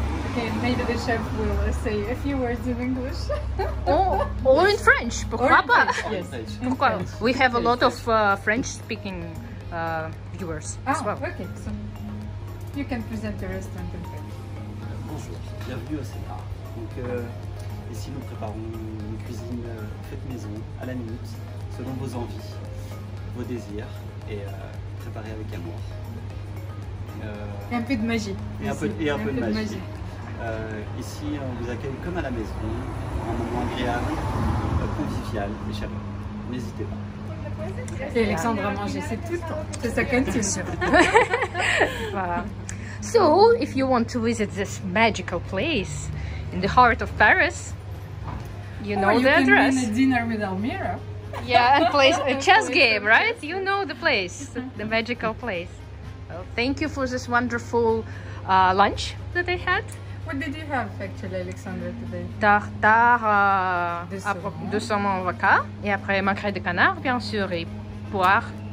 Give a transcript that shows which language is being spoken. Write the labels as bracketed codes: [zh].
[en] Okay, maybe the chef will say a few words in English. Or in French, [fr] pourquoi pas? [en] Yes. Pourquoi? We have a lot of French-speaking viewers as well. Okay, so you can present the restaurant in French. [fr] Bienvenue au Séjour. Donc ici nous préparons une cuisine faite maison, à la minute, selon vos envies, vos désirs, et préparée avec amour. Et un peu de magie. Et un peu de magie. Ici on vous accueille comme à la maison, un moment agréable, convivial et chaleureux. N'hésitez pas. Et Alexandre a mangé, c'est tout le temps. C'est ça qu'on tient. Voilà. [en] So, if you want to visit this magical place in the heart of Paris, you know the address. Or you can win a dinner with Almira. Yeah, and play a chess game, right? You know the place, the magical place. Well, thank you for this wonderful lunch that they had. What did you have, actually, Alexandra, today? [fr] Tartare de saumon avocat, et après magret de canard, bien sûr, et poire.